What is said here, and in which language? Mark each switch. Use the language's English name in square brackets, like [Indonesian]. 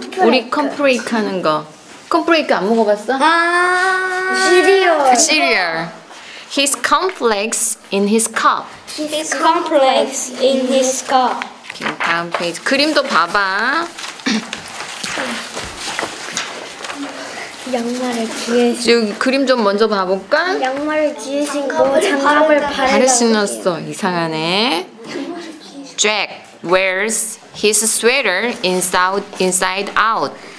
[Korean] 우리 cornflake 하는 거. Cornflake 안 먹어봤어? [English] 아, cereal. Cereal. His cornflakes in his cup. His cornflakes in his cup. [Korean] Okay, 다음 페이지. 그림도 봐봐. 양말을 뒤에. 지금 그림 좀 먼저 봐볼까? 양말을 뒤에 신고 장갑을 바른다. 발에 신었어. 이상하네. [English] Jack wears his sweater inside out.